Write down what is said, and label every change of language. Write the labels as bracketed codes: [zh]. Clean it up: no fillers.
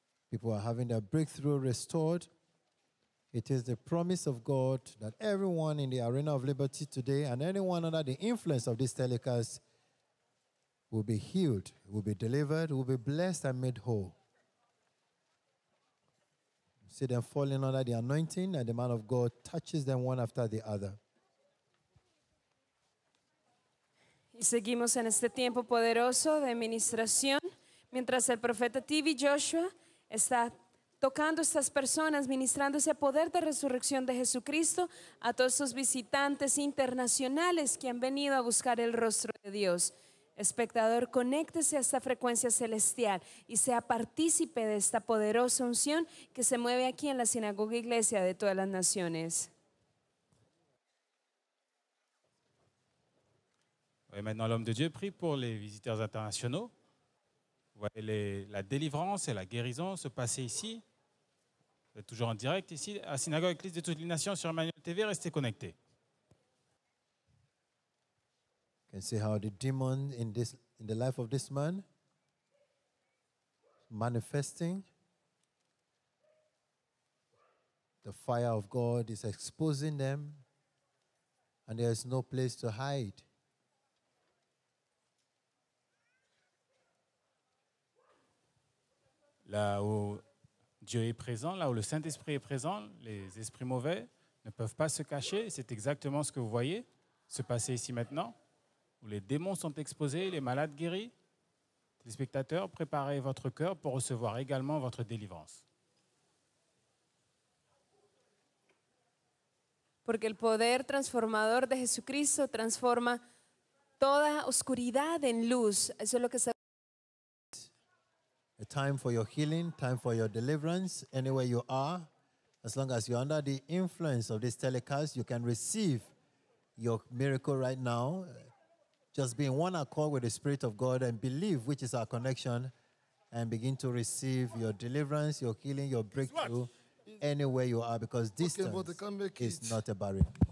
[en] People are having their breakthrough restored. It is the promise of God that everyone in the arena of liberty today and anyone under the influence of this telecast will be healed, will be delivered, will be blessed and made whole. See them falling under the anointing and the man of God touches them one after the other. [es] Y seguimos en este tiempo poderoso de administración mientras el profeta TV Joshua está tocando estas personas, ministrando ese poder de resurrección de Jesucristo a todos esos visitantes internacionales que han venido a buscar el rostro de Dios. Espectador, conéctese a esta frecuencia celestial y sea partícipe de esta poderosa unción que se mueve aquí en la sinagoga iglesia de todas las naciones. [fr] Oye, maintenant l'homme de Dieu prie pour les visiteurs internationaux. Voyez la délivrance et la guérison se passer ici Vous êtes toujours en direct ici à Synagogue Église de toutes les nations sur Emmanuel TV. Restez connectés. [en] You can see how the demon in the life of this man manifesting. The fire of God is exposing them, and there is no place to hide. [fr] Là où Dieu est présent, là où le Saint-Esprit est présent, les esprits mauvais ne peuvent pas se cacher. C'est exactement ce que vous voyez se passer ici maintenant, où les démons sont exposés, les malades guéris. Téléspectateurs, préparez votre cœur pour recevoir également votre délivrance. [es] Porque el poder transformador de Jesucristo transforma toda oscuridad en luz. Eso es lo que se... [en] A time for your healing, time for your deliverance, anywhere you are, as long as you're under the influence of this telecast, you can receive your miracle right now. Just be in one accord with the Spirit of God and believe, which is our connection, and begin to receive your deliverance, your healing, your breakthrough, anywhere you are, because distance is not a barrier.